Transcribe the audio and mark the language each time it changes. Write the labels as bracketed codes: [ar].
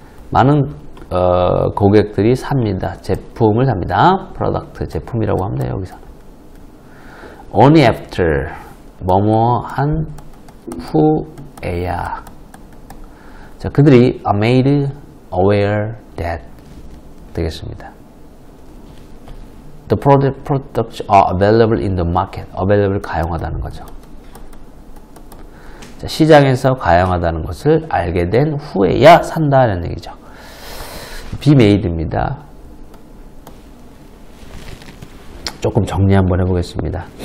[ko] 많은 고객들이 삽니다. 제품을 삽니다. product 제품이라고 하면 돼요, 여기서. [en] Only after [ko] 뭐뭐 한 후에야. 자, 그들이 [en] are made aware that [ko] 되겠습니다. [en] The products are available in the market. [ko] Available 가용하다는 거죠. 자, 시장에서 가용하다는 것을 알게 된 후에야 산다는 얘기죠. [en] Be made입니다. [ko] 조금 정리 한번 해보겠습니다.